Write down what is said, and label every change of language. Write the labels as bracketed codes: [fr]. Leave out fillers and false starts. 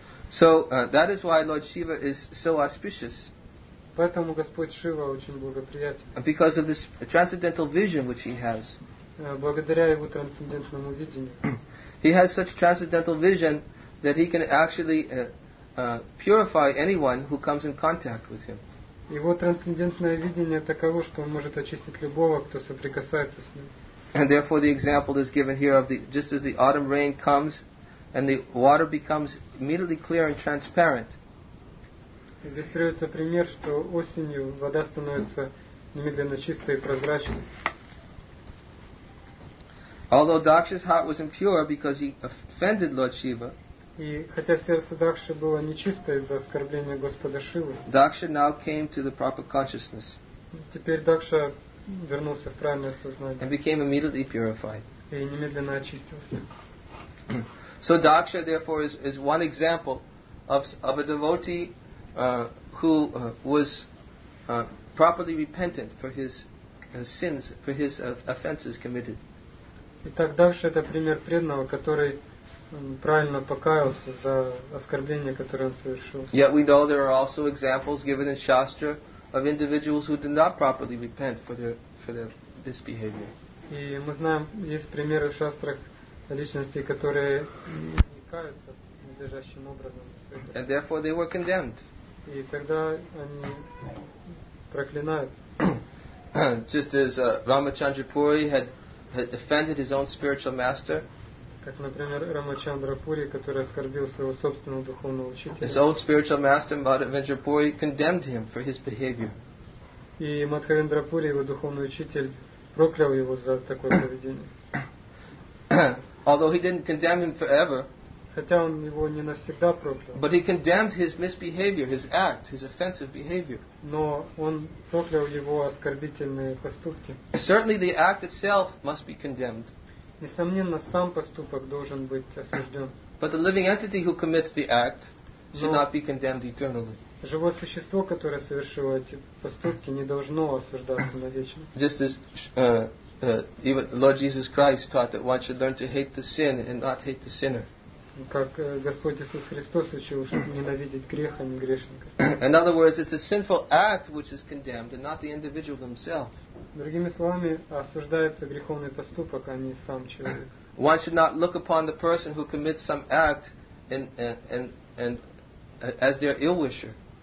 [en] So that is why Lord Shiva is so auspicious. [ru] Поэтому Господь Шива очень благоприятен. [en] Because of this transcendental vision which he has. [ru] Благодаря его трансцендентному видению. [en] He has such transcendental vision that he can actually purify anyone who comes in contact with him. [ru] Его трансцендентное видение таково, что он может очистить любого, кто соприкасается с ним. [en] And therefore the example is given here of the just as the autumn rain comes and the water becomes immediately clear and transparent. [ru] Здесь приводится пример, что осенью вода становится немедленно чистой и прозрачной. [en] Although Daksha's heart was impure because he offended Lord Shiva. [ru] И хотя сердце Дакши было нечисто из-за оскорбления Господа Шивы. [en] Daksha now came to the proper consciousness. [ru] Теперь Дакша вернулся в правильное сознание. [en] And became immediately purified. [ru] И немедленно очистился. [en] So Daksha, therefore, is one example of a devotee who was properly repentant for his sins, for his offenses committed. [ru] Итак, Дакша — это пример преданного, который правильно покаялся за оскорбление, которое он совершил. [en] Yet we know there are also examples given in Shastra of individuals who did not properly repent for their misbehavior. [ru] И мы знаем, есть примеры в Шастрах личностей, которые не каются надлежащим образом. [en] And therefore they were condemned. [ru] И тогда они проклинают. [en] Just as Ramachandra Puri had offended his own spiritual master. [ru] Как, например, Рамачандра Пури, который оскорбил своего собственного духовного учителя. [en] His own spiritual master, Мадхавендра Пури, condemned him for his behavior. [ru] И Мадхавендра Пури, его духовный учитель, проклял его за такое поведение. [en] Although he didn't condemn him forever. [ru] Хотя он его не навсегда проклял. [en] But he condemned his misbehavior, his act, his offensive behavior. [ru] Но он проклял его оскорбительные поступки. [en] Certainly the act itself must be condemned. [ru] Несомненно, сам поступок должен быть осужден. [en] But the living entity who commits the act should not be condemned eternally. [ru] Живое существо, которое совершило эти поступки, не должно осуждаться навечно. [en] Just as even Lord Jesus Christ taught that one should learn to hate the sin and not hate the sinner. [ru] как Господь Иисус Христос учил, чтобы ненавидеть греха, а не грешника. [en] In other words, it's a sinful act which is condemned, and not the individual themselves. [ru] Другими словами, осуждается греховный поступок, а не сам человек. [en] One should not look upon the person who commits some act and as their ill-wisher.